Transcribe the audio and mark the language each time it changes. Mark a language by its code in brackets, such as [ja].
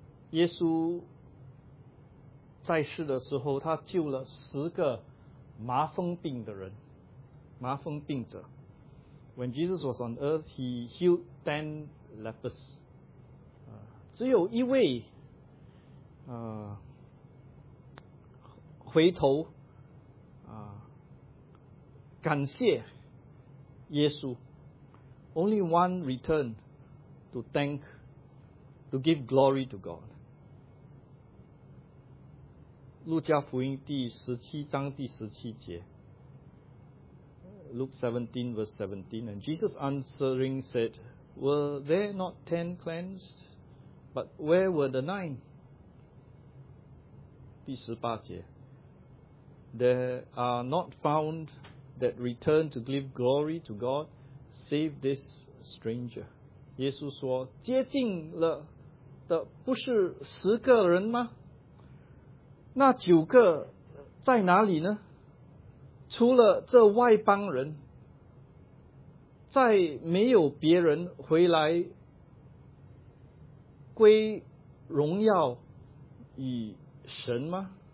[en] When Jesus was on earth, he healed 10 lepers. [zh] 只有一位 回头 感谢耶稣. [en] Only one returned to thank, to give glory to God. 路加福音第17章第17节, Luke 17 verse 17, and Jesus answering said, were there not 10 cleansed? But where were the 9? 第18节, there are not found that return to give glory to God, save this stranger. [zh] 耶稣说, 接近了的不是10个人吗? 那9个在哪里呢?除了这外邦人, 再没有别人回来归荣耀与神吗?